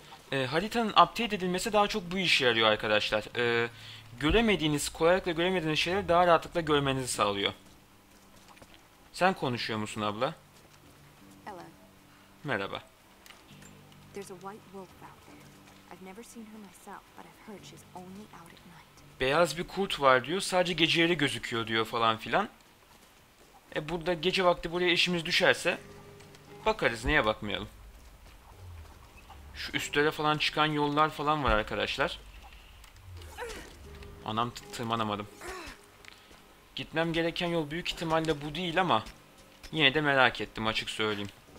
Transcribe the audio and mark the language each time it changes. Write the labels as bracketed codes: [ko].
[tr] Haritanın update edilmesi daha çok bu işe yarıyor arkadaşlar. Göremediğiniz, kolaylıkla göremediğiniz şeyleri daha rahatlıkla görmenizi sağlıyor. Sen konuşuyor musun abla? [en] Hello. [tr] Merhaba. [en] There's a white wolf out there. I've never seen her myself, but I've heard she's only out at night. [tr] Beyaz bir kurt var diyor. Sadece geceleri gözüküyor diyor falan filan. Burada gece vakti buraya işimiz düşerse bakarız, niye bakmayalım? Şu üstlere falan çıkan yollar falan var arkadaşlar. Anam, tırmanamadım. Gitmem gereken yol büyük ihtimalle bu değil ama yine de merak ettim, açık söyleyeyim.